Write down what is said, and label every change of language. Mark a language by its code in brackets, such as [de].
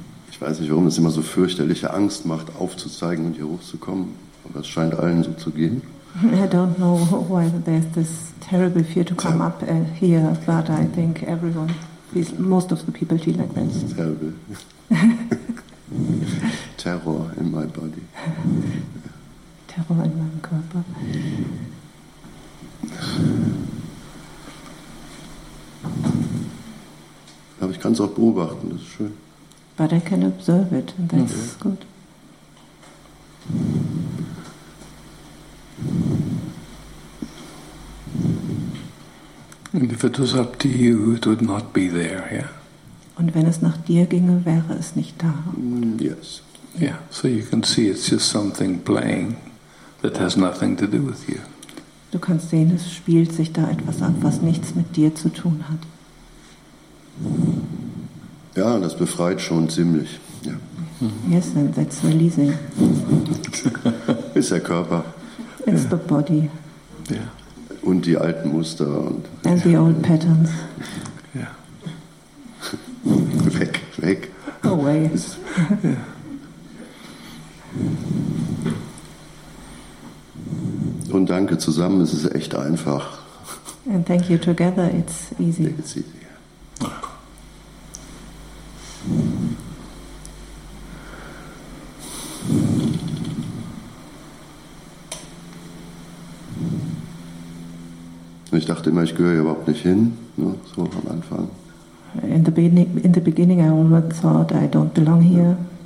[de] Ich weiß nicht, warum es immer so fürchterliche Angst macht, aufzuzeigen und hier hochzukommen, aber es scheint allen so zu gehen. [en] I don't know why there's this terrible fear to come up here, but I think everyone, most of the people feel like that. Terrible. Terror in my body. [de] Terror in meinem Körper. Aber ich kann es auch beobachten, das ist schön. [en] But I can observe it, and that's good. And if it was up to you, it would not be there, yeah? [de] Und wenn es nach dir ginge, wäre es nicht da. [en] Yes. Yeah, so you can see it's just something playing that has nothing to do with you. [de] Du kannst sehen, es spielt sich da etwas ab, was nichts mit dir zu tun hat. Ja, das befreit schon ziemlich. Ja. [en] Yes, and that's releasing. [de] Ist der Körper. [en] It's the body. [de] Ja. Und die alten Muster. Und [en] the old patterns. [de] Ja. Weg, weg. [en] Away. [de] Ja. Und danke, zusammen ist es echt einfach. [en] And thank you together, it's easy. Yeah, it's easy. [de] Und ich dachte immer, ich gehöre hier überhaupt nicht hin, ne? So am Anfang. [en] In the beginning, I always thought I don't belong here.